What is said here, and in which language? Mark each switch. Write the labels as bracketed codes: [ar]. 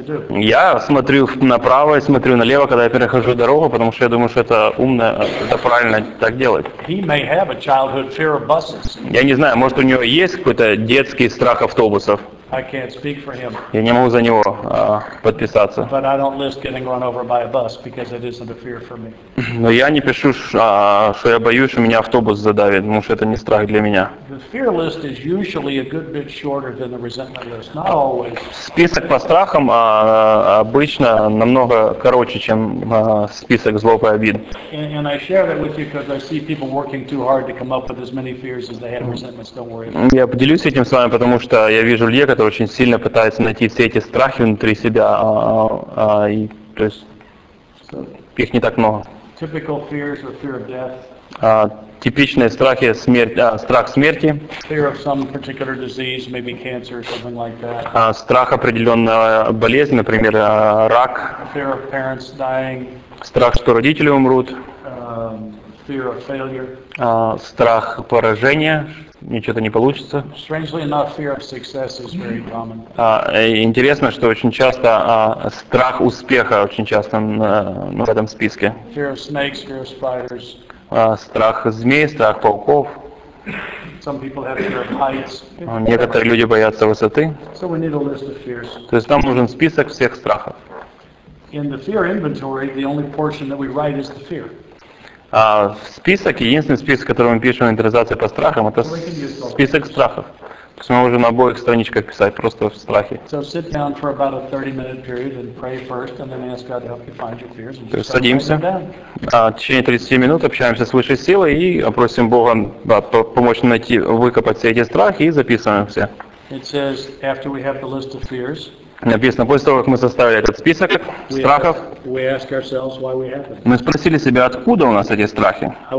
[ru] Я смотрю направо и смотрю налево, когда я перехожу дорогу, потому что я думаю, что это умно, это правильно так делать. Я не знаю, может у него есть какой-то детский страх автобусов. [en] I can't speak for him. [ru] Я не могу за него подписаться. [en] But I don't list getting run over by a bus because it isn't a fear for me. [ru] Но я не пишу, что я боюсь, что меня автобус задавит, потому что это не страх для меня. [en] The fear list is usually a good bit shorter than the resentment list. Not always. [ru] Список по страхам обычно намного короче, чем список злоб и обид. [en] And I share that with you because I see people working too hard to come up with as many fears as they have resentments. Don't worry. [ru] Я поделюсь этим с вами, потому что я вижу людей, который очень сильно пытается найти все эти страхи внутри себя, и, то есть их не так много. [en] Typical fears or fear of death. [ru] Типичные страхи страх смерти. [en] Fear of some particular disease, maybe cancer or something like that. [ru] Страх определенной болезни, например, рак. [en] Fear of parents dying. [ru] Страх, что родители умрут. [en] Fear of failure. [ru] Страх поражения. Ничего-то не получится. [en] Strangely enough, fear of success is very common. [ru] Интересно, что очень часто страх успеха очень часто в этом списке. [en] Fear of snakes, fear of spiders. [ru] Страх змей, страх пауков. [en] Some people have fear of heights. [ru] Некоторые люди боятся высоты. [en] So we need a list of fears. [ru] То есть нам нужен список всех страхов. [en] In the fear inventory, the only portion that we write is the fear. [ru] Список, единственный список, который мы пишем в интерпретации по страхам, это список страхов. можем на обоих страничках писать, просто в страхе. [en] So sit down for about a 30-minute period and pray first, and then ask God to help you find your fears. [ru] То есть садимся, в течение 30 минут общаемся с высшей силой и просим Бога помочь найти, выкопать все эти страхи и записываем все. [en] It says after we have the list of fears. [ru] Написано, после того, как мы составили этот список страхов, мы спросили себя, откуда у нас эти страхи.